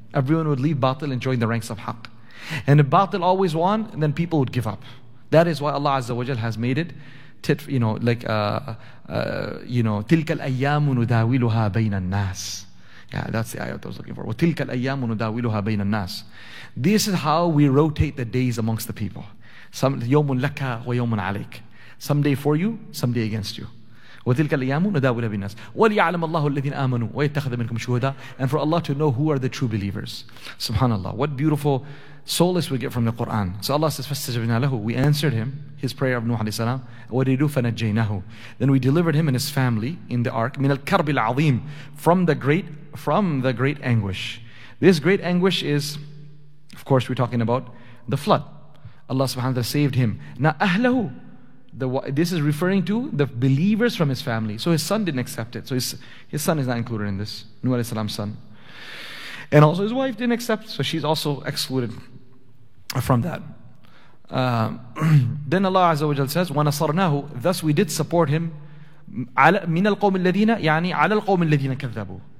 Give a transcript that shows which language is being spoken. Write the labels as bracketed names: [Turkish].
[English] Everyone would leave batil and join the ranks of haqq. And if batil always won, then people would give up. That is why Allah Azza wa Jal has made it, you know, like you know, [Arabic] تِلْكَ الْأَيَّامُ نُدَاوِلُهَا بَيْنَ النَّاسِ. [English] Yeah, that's the ayah that I was looking for. [Arabic] وَتِلْكَ الْأَيَّامُ نُدَاوِلُهَا بَيْنَ النَّاسِ. [English] This is how we rotate the days amongst the people. [Arabic] Some يَوْمٌ لَكَ وَيَوْمٌ عَلَيْكَ. [English] Some day for you, some day against you. [Arabic] وَتِلْكَ الْأَيَّامُ نُدَاوِلُهَا بَيْنَ النَّاسِ. وَلِيَعْلَمَ اللَّهُ الَّذِينَ آمَنُوا وَيَتَّخَذَ مِنْكُمْ شُهَدَاءَ. [English] And for Allah to know who are the true believers. Subhanallah. What beautiful solace we get from the Quran. So Allah says, [Arabic] فَاسْتَجَبْنَا لَهُ. [English] We answered him, his prayer of Nuh alayhi salam. [Arabic] وَدِيدُ فَنَجَّيْنَهُ. [English] Then we delivered him and his family in the ark. [Arabic] مِنَ الْكَرْبِ الْعَظِيمِ. [English] From the great anguish. This great anguish is, of course, we're talking about the flood. Allah subhanahu wa ta'ala saved him. Now أَهْلَهُ. This is referring to the believers from his family. So his son didn't accept it. So his son is not included in this. Nuh alayhi salam's son. And also his wife didn't accept, so she's also excluded from that. Then Allah Azza wa Jalla says, وَنَصَرْنَاهُ. Thus we did support him. [Arabic] مِنَ الْقَوْمِ الَّذِينَ, يعني على القوم الذين كذبوا.